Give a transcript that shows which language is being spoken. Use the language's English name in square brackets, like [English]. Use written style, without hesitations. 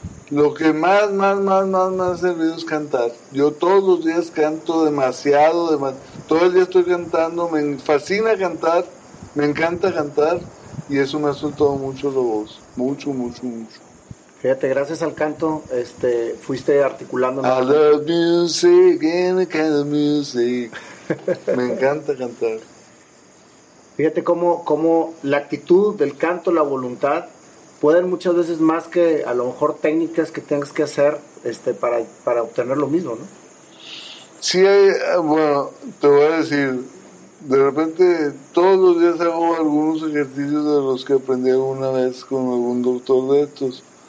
[Spanish] Lo que más servido es cantar. Yo todos los días canto demasiado, todo el día estoy cantando, me fascina cantar, me encanta cantar, y eso me ha soltado mucho la voz, mucho. Fíjate, gracias al canto, fuiste articulando. [English] I love music, any kind of music. [Spanish] Me encanta cantar. Fíjate cómo la actitud del canto, la voluntad, pueden muchas veces más que a lo mejor técnicas que tengas que hacer para obtener lo mismo, ¿no? Sí, bueno, te voy a decir, de repente todos los días hago algunos ejercicios de los que aprendí alguna vez con algún doctor de estos.